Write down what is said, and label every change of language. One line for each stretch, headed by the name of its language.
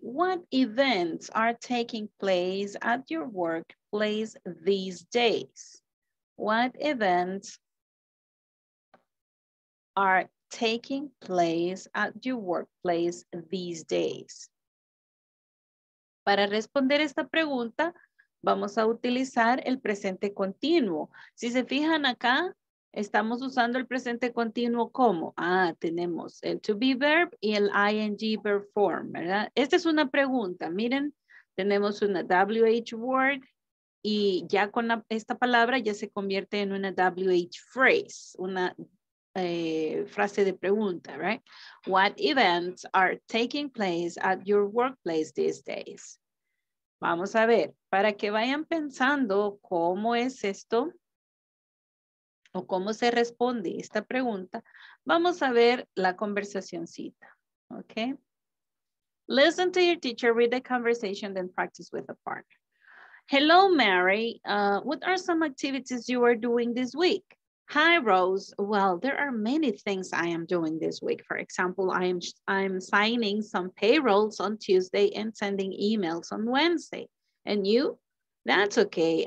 English: What events are taking place at your workplace these days? What events are taking place at your workplace these days?
Spanish: Para responder esta pregunta, vamos a utilizar el presente continuo. Si se fijan acá, estamos usando el presente continuo como, ah, tenemos el to be verb y el ing verb form, ¿verdad? Esta es una pregunta, miren, tenemos una WH word y ya con la, esta palabra ya se convierte en una WH phrase, una frase de pregunta, right?
English: What events are taking place at your workplace these days?
Spanish: Vamos a ver, para que vayan pensando cómo es esto o cómo se responde esta pregunta, vamos a ver la conversacioncita, ¿ok?
English: Listen to your teacher, read the conversation, then practice with a partner. Hello, Mary. What are some activities you are doing this week? Hi, Rose. Well, there are many things I am doing this week. For example, I'm signing some payrolls on Tuesday and sending emails on Wednesday. And you? That's okay.